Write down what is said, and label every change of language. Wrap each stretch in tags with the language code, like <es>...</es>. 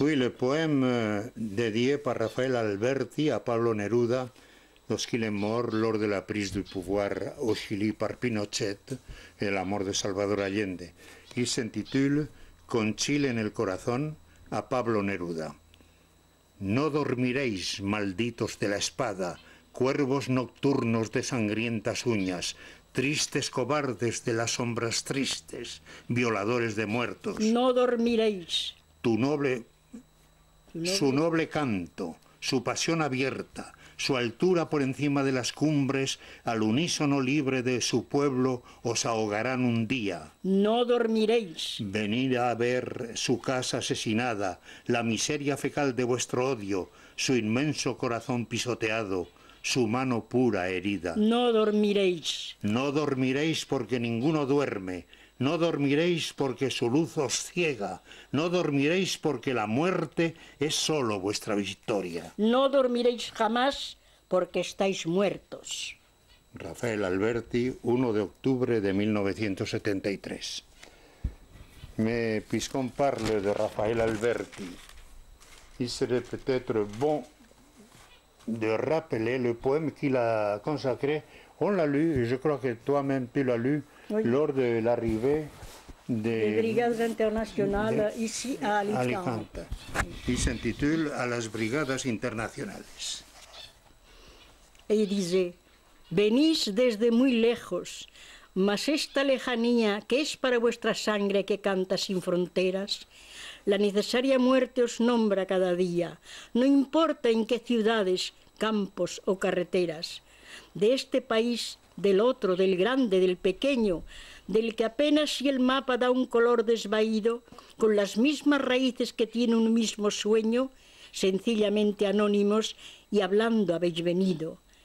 <fr>Oui, le poème dédié par Rafael Alberti à Pablo Neruda, lorsqu'il est mort lors de la prise du pouvoir au Chili par Pinochet et la mort de Salvador Allende, il s'intitule</fr> <es>Con Chile en el corazón a Pablo Neruda. No dormiréis, malditos de la espada, cuervos nocturnos de sangrientas uñas. Tristes cobardes de las sombras tristes, violadores de muertos. No dormiréis. Su noble canto, su pasión abierta, su altura por encima de las cumbres, al unísono libre de su pueblo, os ahogarán un día. No dormiréis. Venid a ver su casa asesinada, la miseria fecal de vuestro odio, su inmenso corazón pisoteado, su mano pura herida. No dormiréis. No dormiréis porque ninguno duerme. No dormiréis porque su luz os ciega. No dormiréis porque la muerte es solo vuestra victoria. No dormiréis jamás porque estáis muertos. Rafael Alberti, 1 de octubre de 1973.</es> <fr>Mais puisqu'on parle de Rafael Alberti, il serait peut-être bon de rappeler le poème qu'il a consacré. On l'a lu, je crois que toi-même tu l'as lu, oui. Lors de l'arrivée des brigades internationales ici à Alicante. Alicante. Il s'intitule « À</fr> <es>las brigadas internacionales ».</es> <fr>Et il disait</fr> <es>« Venís desde muy lejos, mas esta lejanía que es para vuestra sangre que canta sin fronteras, la necesaria muerte os nombra cada día, no importa en qué ciudades, campos o carreteras, de este país, del otro, del grande, del pequeño, del que apenas si el mapa da un color desvaído, con las mismas raíces que tiene un mismo sueño, sencillamente anónimos y hablando habéis venido.</es>